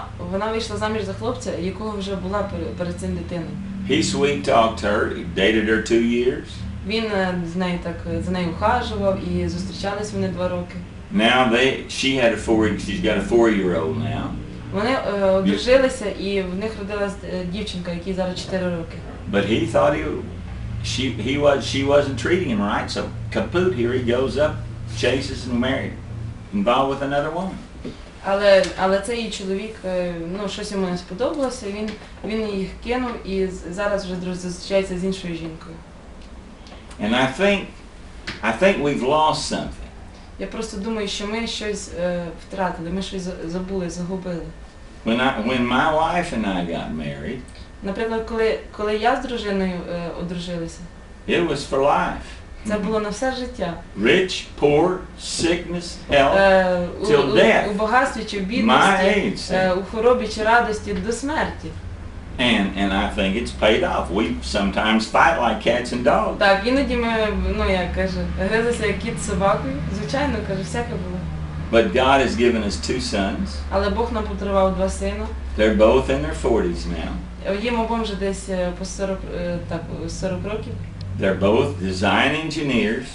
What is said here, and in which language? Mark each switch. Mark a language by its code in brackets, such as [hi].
[uk] Вона вийшла заміж за хлопця, якого вже була перед цим дитиною. [en] He sweet talked her, he dated her 2 years. [uk] Він з нею так за нею ухажував і зустрічались вони 2 роки. [en] Now she's got a 4-year-old now. [uk] Вони одружилися і в них родилась дівчинка, якій зараз 4 роки. [en] But he thought she wasn't treating him right, so kaput, here he goes up, chases and married, involved with another woman. [uk] Але цей її чоловік, ну, щось йому не сподобалося, він її кинув і зараз вже зустрічається з іншою жінкою. [en] And I think we've lost something. [uk] Я просто думаю, що ми щось втратили, ми щось загубили. [en] When my wife and I got married, [uk] наприклад, коли я з дружиною одружилися, [en] it was for life. [uk] Це було на все життя. [en] Rich, poor, sickness, health, till death. [uk] У багатстві чи в бідності, у хворобі чи радості, до смерті. [en] And I think it's paid off. We sometimes fight like cats and dogs. [uk] Так, іноді ми, ну, я кажу, гризуся як кіт з собакою. Звичайно, кажу, всяке було. [en] But God has given us two sons. [uk] Але Бог нам подарував два сина. [en] They're both in their 40s now. [uk] Їм обом вже десь по 40, так, 40 років. [en] They're both design engineers.